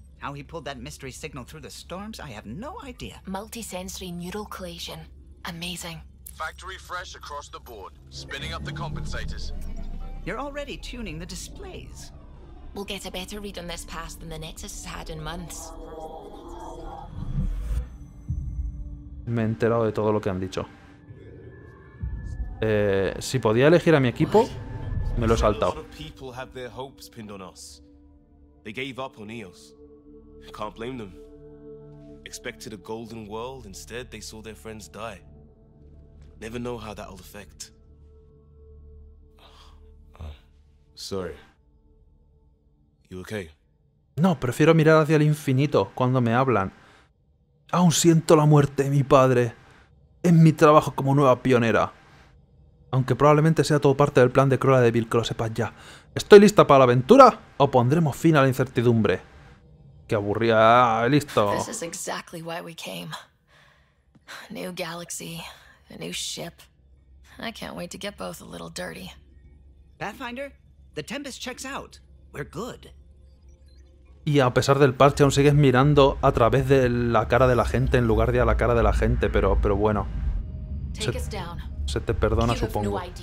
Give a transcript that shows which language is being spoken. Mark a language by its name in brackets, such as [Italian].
[English] How he pulled that mystery signal through the storms, I have no idea. Multisensory neural collision. Amazing. Factory fresh across the board. Spinning up the compensators. You're already tuning the displays. We'll get a better read on this pass than the Nexus has had in months. [Spanish] Me he enterado de todo lo que han dicho. Si podía elegir a mi equipo, me lo he saltado. [English] A lot of people have their hopes pinned on us. They gave up on EOS. Can't blame them. Expected a golden world, instead they saw their friends die. Never know how that'll affect. Sorry. You okay? [Spanish] No, prefiero mirar hacia el infinito cuando me hablan. Aún siento la muerte de mi padre. Es mi trabajo como nueva pionera. Aunque probablemente sea todo parte del plan de Cruella de Vil, que lo sepas ya. ¿Estoy lista para la aventura? ¿O pondremos fin a la incertidumbre? ¡Qué aburrida! ¡Listo! [English] This is exactly why we came. New galaxy, a new ship. I can't wait to get both a little dirty. Pathfinder, the Tempest checks out. We're good. [Spanish] Y a pesar del parche, aún sigues mirando a través de la cara de la gente en lugar de a la cara de la gente, pero bueno. Se te perdona, supongo.